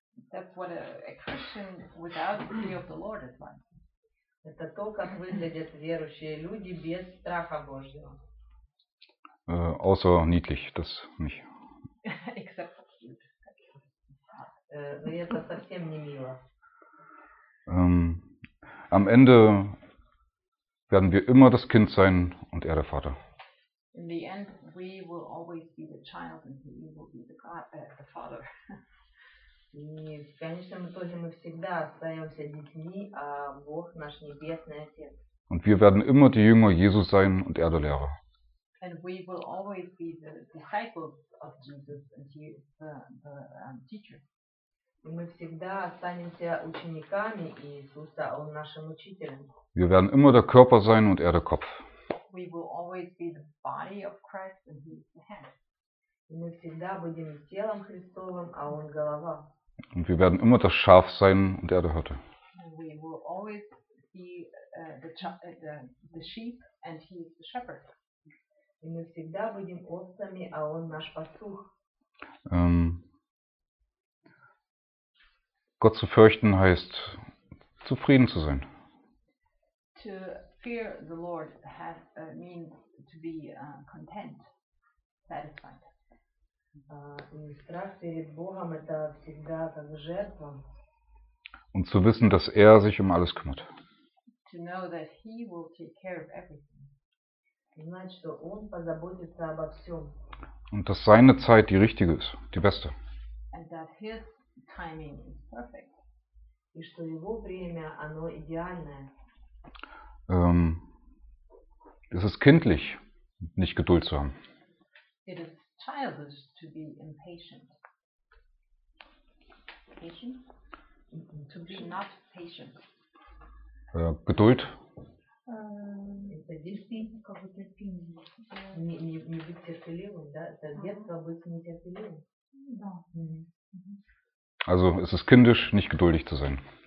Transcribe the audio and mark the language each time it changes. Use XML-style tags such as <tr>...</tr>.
<en>That's what a Christian without the fear of the Lord is like.</en> <ru>Это то, как выглядят верующие люди без страха Божьего.</ru> <de>Außer niedlich, das nicht.</de> <en>Except for cute.</en> <ru>Это совсем не мило.</ru> <de>Am Ende werden wir immer das Kind sein und er der Vater.</de> <en>In the end, we will always be the child and he will be the God, the Father.</en> <ru>И в конечном итоге мы всегда остаемся детьми, а Бог наш небесный отец.</ru> <de>Und wir werden immer die Jünger Jesu sein und er der Lehrer.</de> <en>And we will always be the disciples of Jesus and he is the teacher.</en> <ru>И мы всегда останемся учениками Иисуса, он нашим учителем.</ru> <de>Wir werden immer der Körper sein und er der Kopf.</de> <en>We will always be the body of Christ and he is the head.</en> <ru>Мы всегда будем телом Христовым, а он голова.</ru> <de>Und wir werden immer das Schaf sein und er der Hirte.</de> <en>We will always be the sheep and he is the shepherd.</en> <ru>Мы всегда будем овцами, а он наш пастух.</ru> <de>Gott zu fürchten heißt zufrieden zu sein.</de> <en>To fear the Lord has means to be content, satisfied.</en> <ru>И страх перед Богом это всегда как жертва.</ru> <de>Und zu wissen, dass er sich um alles kümmert.</de> <en>To know that he will take care of everything.</en> <ru>Знать, что он позаботится обо всем.</ru> <de>Und dass seine Zeit die richtige ist, die beste.</de> <en>And that his timing is perfect.</en> <ru>И что его время оно идеальное.</ru> <de>Es ist kindlich, nicht Geduld zu haben.</de> <en>It is childish to be impatient. Patient? To be not patient.</en> <de>Geduld?</de> <ru>Это действительно как бы терпение. Не быть терпеливым, да? Это детство быть нетерпеливым. Да.</ru> <de>Also, es ist kindisch, nicht geduldig zu sein.</de>